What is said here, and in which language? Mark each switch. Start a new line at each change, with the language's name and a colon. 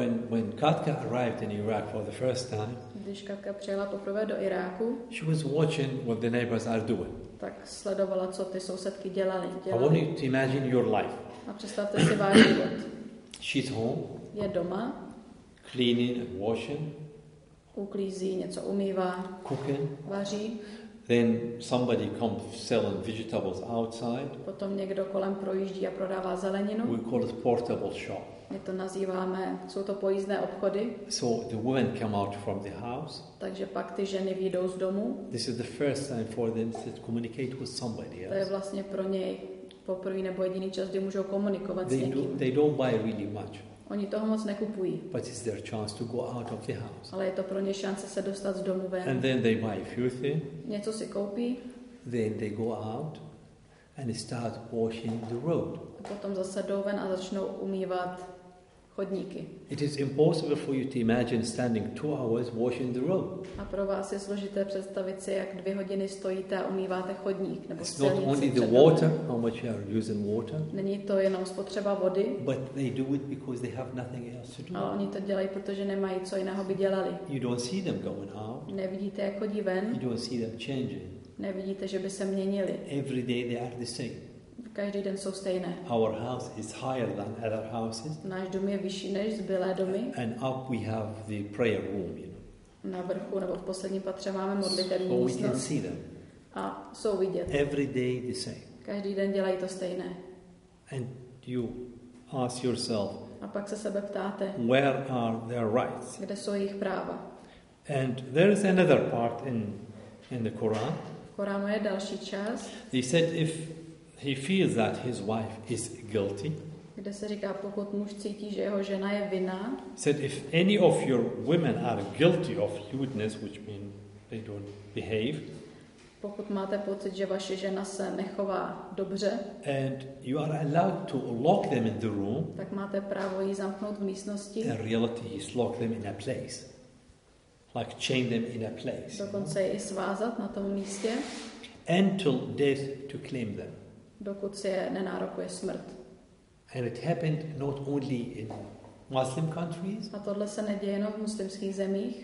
English: When Katka arrived in Iraq for the first time,
Czech: když Katka přijela poprvé do Iráku,
English: she was watching what the neighbors are doing.
Czech: Tak sledovala, co ty sousedky dělaly.
English: I want you to imagine your life.
Czech: A představte si váš život.
English: She's home.
Czech: Je doma.
English: Cleaning and washing.
Czech: Uklízí, něco umývá.
English: Cooking.
Czech: Vaří.
English: Then somebody comes selling vegetables outside.
Czech: Potom někdo kolem projíždí a prodává zeleninu.
English: We call it portable shop.
Czech: My to nazýváme, jsou to pojízdné obchody.
English: So the women come out from the house.
Czech: Takže pak ty ženy vyjdou z domu.
English: This is the first time for them to communicate with somebody else.
Czech: To je vlastně pro něj poprvý nebo jediný čas, kdy můžou komunikovat
English: they
Czech: s někým.
English: They don't buy really much.
Czech: Oni toho moc nekupují.
English: But it's their chance to go out of the house.
Czech: Ale je to pro ně šance se dostat z domu ven.
English: And then they buy a few things.
Czech: Něco si koupí.
English: Then they go out and start washing the road.
Czech: A potom zase jdou ven a začnou umývat chodníky.
English: It is impossible for you to imagine standing 2 hours washing the road.
Czech: A pro vás je složité představit si, jak 2 hodiny stojíte a umýváte chodník nebo silnici.
English: It's not only the water, how much you are using water.
Czech: Není to jenom spotřeba vody.
English: But they do it because they have nothing else to do.
Czech: Ale oni to dělají, protože nemají co jiného by dělali.
English: You don't see them going out.
Czech: Nevidíte, jak chodí ven.
English: You don't see them changing.
Czech: Nevidíte, že by se měnili.
English: Every day they are the same.
Czech: Každý den jsou stejné.
English: Our house is higher than other houses.
Czech: Náš dům je vyšší než zbylé domy.
English: And up we have the prayer room, you know.
Czech: Na vrchu nebo v posledním patře máme modlitevní místnost.
English: So we can see them.
Czech: A jsou vidět.
English: Every day the same.
Czech: Každý den dělají to stejné.
English: And you ask yourself.
Czech: A pak se sebe ptáte.
English: Where are their rights?
Czech: Kde jsou jejich práva?
English: And there is another part in the Quran.
Czech: V Koránu je další část.
English: He said if he feels that his wife is guilty.
Czech: Kde se říká, pokud muž cítí, že jeho žena je vinná.
English: Said if any of your women are guilty of lewdness, which means they don't behave.
Czech: Pokud máte pocit, že vaše žena se nechová dobře.
English: And you are allowed to lock them in the room.
Czech: Tak máte právo ji zamknout v místnosti.
English: In reality, he's locked them in a place. Like chain them in a place.
Czech: Dokonce je i svázat na tom místě.
English: Until death to claim them.
Czech: Dokud se nenárokuje smrt.
English: And it happened not only in Muslim countries.
Czech: A tohle se neděje jenom v muslimských zemích.